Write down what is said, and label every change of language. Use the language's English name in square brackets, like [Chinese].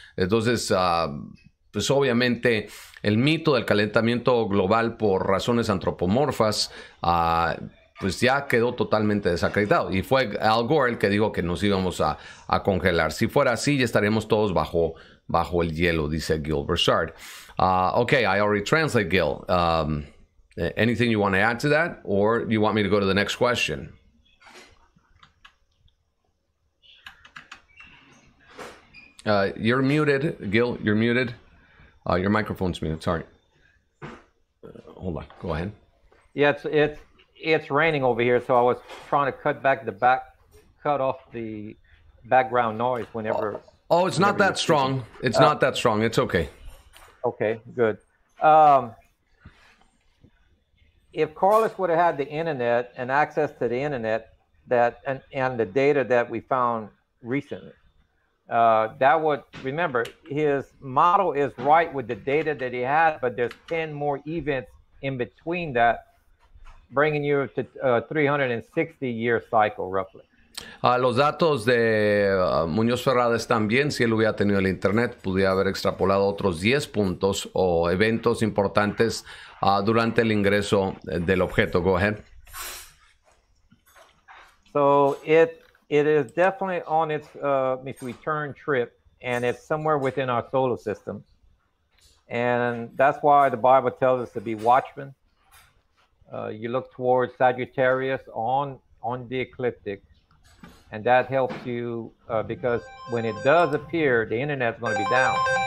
[Spanish] Entonces, pues obviamente el mito del calentamiento global por razones antropomorfas pues ya quedó totalmente desacreditado. Y fue Al Gore el que dijo que nos íbamos a congelar. Si fuera así, ya estaríamos todos bajo el hielo, dice Gil Burchard. [English] Okay, I already translate, Gil. Anything you want to add to that? Or you want me to go to the next question? You're muted, Gil. You're muted. Your microphone's muted. Sorry. Hold on. Go ahead. Yeah, it's raining over here, so I was trying to cut off the background noise whenever. Oh, it's not that strong. It's not that strong. It's okay. Okay, good. If Carlos would have had the internet and access to the internet and the data that we found recently, remember, his model is right with the data that he had, but there's 10 more events in between that, bringing you to a 360-year cycle, roughly. [Spanish] Los datos de Muñoz Ferrada están bien. Si él hubiera tenido el internet, pudiera haber extrapolado otros 10 puntos o eventos importantes durante el ingreso del objeto. [English] Go ahead. So it is definitely on its return trip, and it's somewhere within our solar system. And that's why the Bible tells us to be watchmen. You look towards Sagittarius on the ecliptic, and that helps you because when it does appear, the internet's going to be down.